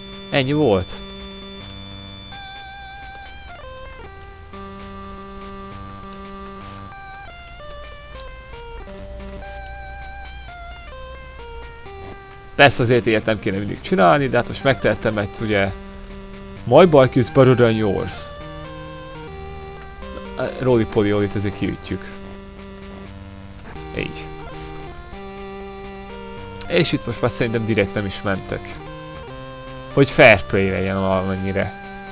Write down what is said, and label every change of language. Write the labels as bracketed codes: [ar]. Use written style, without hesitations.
[hu] Ennyi volt. Persze azért ilyet nem kéne mindig csinálni, de hát most megtehettem, mert ugye... [en] My bike is better than yours. [hu] Roli-poli-olit ezért kiütjük. Így. És itt most már szerintem direkt nem is mentek. Hogy fair play legyen valamennyire.